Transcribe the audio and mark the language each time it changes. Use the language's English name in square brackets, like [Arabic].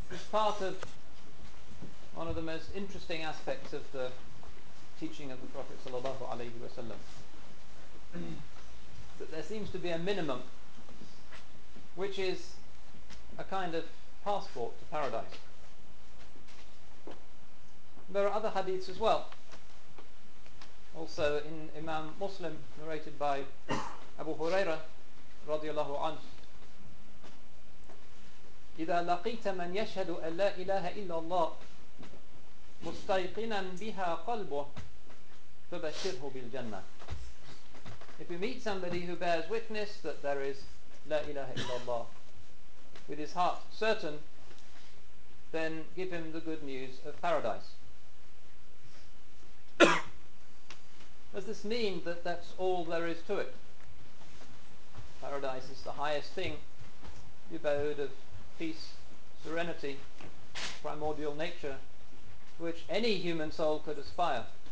[English] part of one of the most interesting aspects of the teaching of the Prophet sallallahu alaihi wasallam, that there seems to be a minimum, which is a kind of passport to paradise. There are other hadiths as well. Also in Imam Muslim, narrated by Abu Huraira radiallahu anhu, [Arabic] إذا لقيت من يشهد أن لا إله إلا الله مستيقنا بها قلبه فبشره بالجنة. [English] If you meet somebody who bears witness that there is [Arabic] لا إله إلا الله [English] with his heart certain, then give him the good news of paradise. Does this mean that that's all there is to it? Paradise is the highest thing, the abode of peace, serenity, primordial nature, which any human soul could aspire.